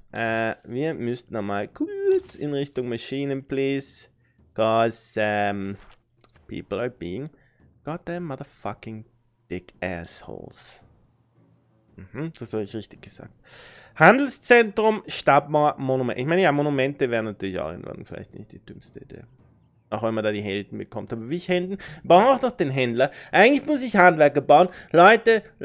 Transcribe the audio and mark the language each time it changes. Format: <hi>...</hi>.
<de>Wir müssten nochmal kurz in Richtung Maschinen, please.</de> <en>Cause, people are being goddamn motherfucking dick assholes.</en> <de>Mhm, das habe ich richtig gesagt. Handelszentrum, Stadtmauer, Monument. Ich meine, ja, Monumente wären natürlich auch irgendwann vielleicht nicht die dümmste Idee. Auch wenn man da die Helden bekommt. Aber wie ich Händen? Brauche auch noch den Händler. Eigentlich muss ich Handwerker bauen. Leute.</de>